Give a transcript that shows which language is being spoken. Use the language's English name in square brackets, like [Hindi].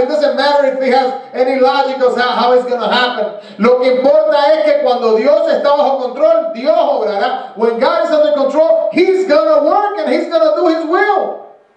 [English] It doesn't matter if it has any logic or how it's going to happen. [Spanish] Lo que importa es que cuando Dios está bajo control, Dios obrará. [English] When God is under control, He's going to work and He's going to do His will.